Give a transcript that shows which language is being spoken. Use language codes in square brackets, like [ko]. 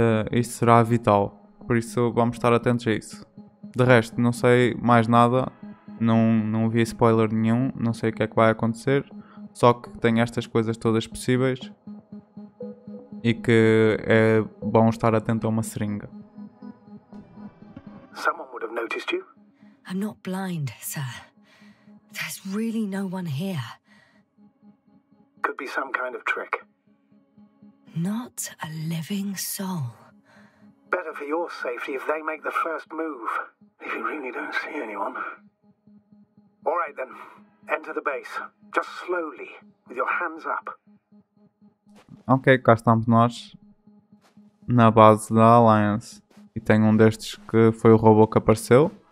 [pt] Isso será vital. Por isso vamos estar atentos a isso. De resto, não sei mais nada. Não vi spoiler nenhum. Não sei o que é que vai acontecer. Só que tem estas coisas todas possíveis. E que é bom estar atento a uma seringa. [en] Someone would have noticed you. I'm not blind, sir. There's really no one here. Could be some kind of trick. Not a living soul. Better for your safety if they make the first move. If you really don't see anyone. All right then. Enter the base. Just slowly, with your hands up. [pt] Ok, cá estamos nós na base da Alliance. E tem um destes que foi o robô que apareceu.